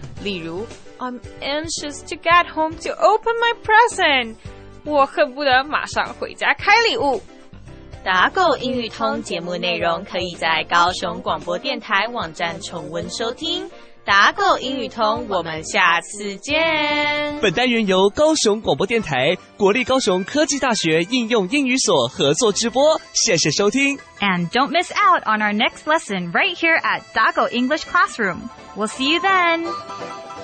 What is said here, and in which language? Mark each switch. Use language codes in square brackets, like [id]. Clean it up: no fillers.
[zh] 例如 [en] ,I'm anxious to get home to open my present. [zh] 我恨不得马上回家开礼物。打狗英语通节目内容可以在高雄广播电台网站重温收听。打狗英语通，我们下次见。本单元由高雄广播电台、国立高雄科技大学应用英语所合作直播，谢谢收听。 [en] And don't miss out on our next lesson right here at 打狗 English Classroom. We'll see you then.